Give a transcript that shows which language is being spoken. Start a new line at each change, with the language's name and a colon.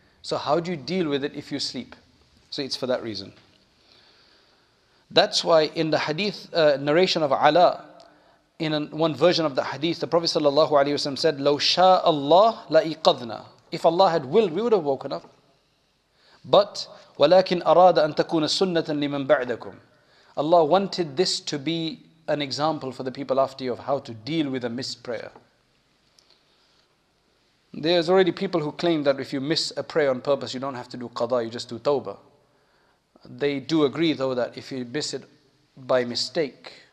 English: So how do you deal with it if you sleep? So it's for that reason. That's why in the hadith narration of Ala, in one version of the hadith, the Prophet sallallahu alaihi wasallam said,
Arabic: لَوْ شَاءَ اللَّهُ لَإِقَذْنَا.
English: If Allah had willed, we would have woken up. But
Arabic: وَلَكِنْ أَرَادَ أَن تَكُونَ سُنَّةً لِمَن بَعْدَكُمْ.
English: Allah wanted this to be an example for the people after you of how to deal with a missed prayer. There's already people who claim that if you miss a prayer on purpose, you don't have to do qada, you just do tawbah. They do agree though that if you miss it by mistake